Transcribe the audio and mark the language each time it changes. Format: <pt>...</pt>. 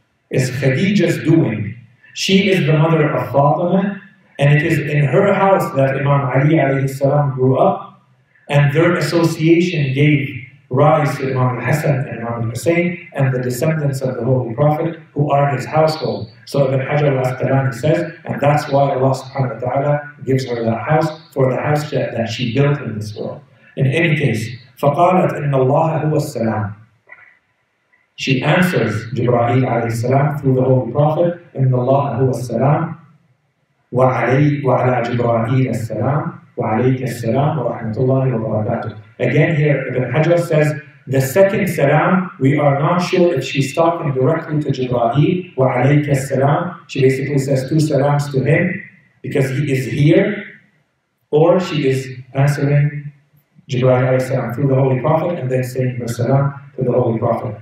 <en>It's Khadija's doing. She is the mother of Fatima, and it is in her house that Imam Ali alayhi salam grew up, and their association gave rise to Imam Hassan and Imam Hussein and the descendants of the Holy Prophet who are his household. So Ibn Hajar al-Asqalani says, and that's why Allah subhanahu wa ta'ala gives her that house for the house that she built in this world. In any case,</en> <ar>فَقَالَتْ إِنَّ اللَّهَ هُوَ السَّلَامُ.</ar> <en>She answers Jibra'il alayhi salam through the Holy Prophet,</en> <ar>إِنَّ اللَّهَ هُوَ السَّلَامُ. وَعَلَى جِبْرَائِيلَ السَّلَامُ وَعَلَيْكَ السَّلَامُ وَرَحْمَةُ اللَّهِ وَبَرَكَاتُهُ.</ar> <en>Again here, Ibn Hajar says, The second salam, we are not sure if she's talking directly to Jibreel,</en> <ar>وعليك السلام.</ar> <en>She basically says two salams to him because he is here, or she is answering Jibreel alayhi salam through the Holy Prophet and then saying her salam to the Holy Prophet.</en>